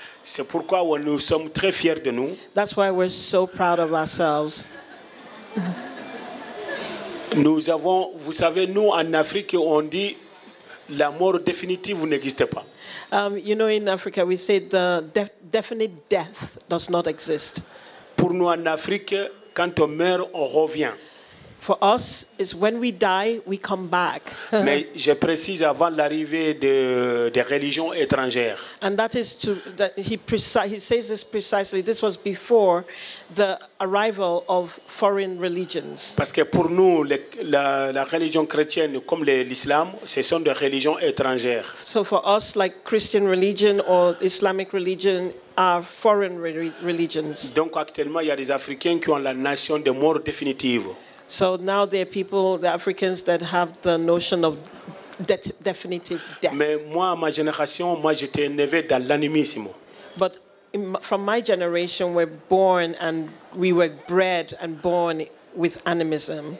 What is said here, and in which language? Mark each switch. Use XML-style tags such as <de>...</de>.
<fr>C'est pourquoi nous sommes très fiers de nous.</fr> <en>That's why we're so proud of ourselves.</en> <fr>Nous avons, vous savez, nous en Afrique, on dit la mort définitive n'existe pas.</fr> <en>You know, in Africa, we say the definite death does not exist.</en> <fr>Pour nous en Afrique, quand on meurt, on revient.</fr> <en>For us, is when we die, we come back.</en> <fr>Mais je précise avant l'arrivée des religions étrangères.</fr> <en>And that is to that he says this precisely. This was before the arrival of foreign religions.</en> <fr>Parce que pour nous, la religion chrétienne, comme l'islam, ce sont des religions étrangères.</fr> <en>So for us, like Christian religion or Islamic religion. Are foreign religions.</en> <fr>Donc actuellement, il y a des Africains qui ont la notion de mort définitive.</fr> <en>So now there are people, the Africans, that have the notion of definitive death.</en> <fr>Mais moi, ma génération, moi, j'étais élevé dans l'animisme.</fr> <en>But from my generation, we're born and we were bred and born with animism.</en>